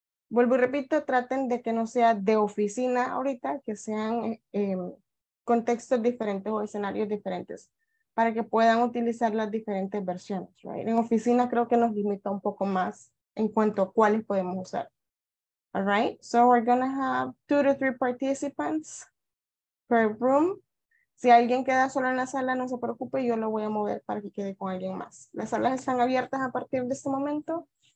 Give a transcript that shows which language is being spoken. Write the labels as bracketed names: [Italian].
[Spanish] Vuelvo y repito, traten de que no sea de oficina ahorita, que sean contextos diferentes o escenarios diferentes, para que puedan utilizar las diferentes versiones, right? En oficina creo que nos limita un poco más en cuanto a cuáles podemos usar. [English] All right? So we're going to have 2 to 3 participants per room. [Spanish] Si alguien queda solo en la sala, no se preocupe, yo lo voy a mover para que quede con alguien más. Las salas están abiertas a partir de este momento.